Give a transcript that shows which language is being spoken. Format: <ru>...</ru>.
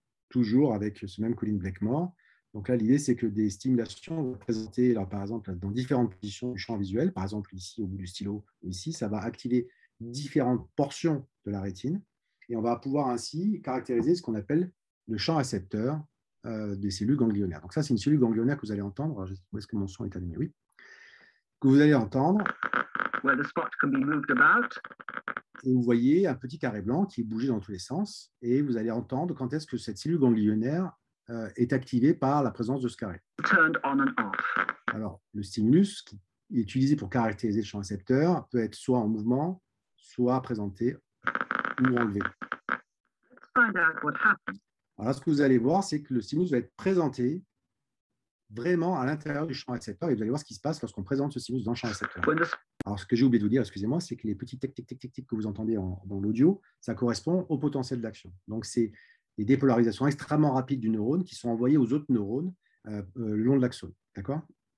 <fr>Toujours avec ce même Colin Blakemore. Donc là, l'idée, c'est que des stimulations vont présenter, alors, par exemple, dans différentes positions du champ visuel, par exemple ici au bout du stylo, ici, ça va activer différentes portions de la rétine, et on va pouvoir ainsi caractériser ce qu'on appelle le champ récepteur des cellules ganglionnaires. Donc ça, c'est une cellule ganglionnaire que vous allez entendre. Alors, où est-ce que mon son est allumé ? Oui. Que vous allez entendre.</fr> <en>Where the spot can be moved about.</en> <fr>Et vous voyez un petit carré blanc qui est bougé dans tous les sens, et vous allez entendre quand est-ce que cette cellule ganglionnaire est activée par la présence de ce carré.</fr> <en>Turned on and off.</en> <fr>Alors, le stimulus qui est utilisé pour caractériser le champ récepteur peut être soit en mouvement, soit présenté ou enlevé.</fr> <en>Let's find out what happened.</en> <fr>Alors, ce que vous allez voir, c'est que le stimulus va être présenté vraiment à l'intérieur du champ récepteur, et vous allez voir ce qui se passe lorsqu'on présente ce stimulus dans le champ récepteur. Alors, ce que j'ai oublié de vous dire, excusez-moi, c'est que les petits tic-tic-tic-tic que vous entendez dans l'audio, ça correspond au potentiel d'action. Donc, c'est les dépolarisations extrêmement rapides du neurone qui sont envoyées aux autres neurones le long de l'axone. D'accord ?</fr>